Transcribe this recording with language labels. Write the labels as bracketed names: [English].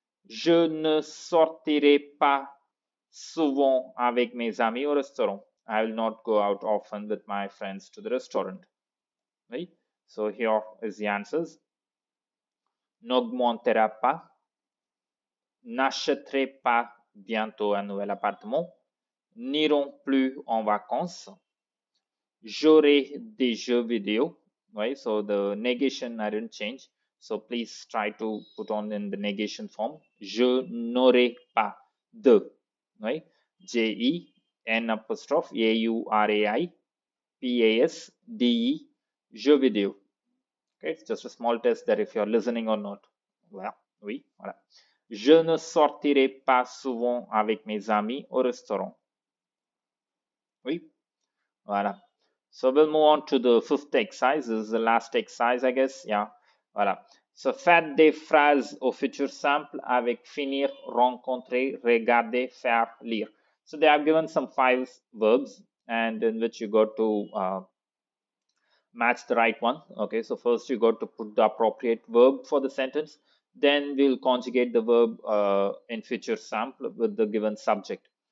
[French] Je ne sortirai pas souvent avec mes amis au restaurant. [English] I will not go out often with my friends to the restaurant. Right? So here is the answers. [French] N'augmentera pas. N'achèterai pas bientôt un nouvel appartement. N'iront plus en vacances. J'aurai des jeux vidéo. [English] Right? So the negation I didn't change. So please try to put on in the negation form. [French] Je n'aurai pas de. [English] Right? [French] J-E, N apostrophe, A-U-R-A-I, P-A-S, D-E, jeux vidéo. [English] Okay, it's just a small test that if you're listening or not. [French] Voilà. Oui, voilà. Je ne sortirai pas souvent avec mes amis au restaurant. Oui, voilà. [English] So we'll move on to the fifth exercise. This is the last exercise, I guess. Yeah. Voilà. [French] So, faites des phrases au futur simple avec finir, rencontrer, regarder, faire, lire. [English] So, they have given some five verbs and in which you got to match the right one. Okay, so first you got to put the appropriate verb for the sentence. Then we'll conjugate the verb in future simple with the given subject.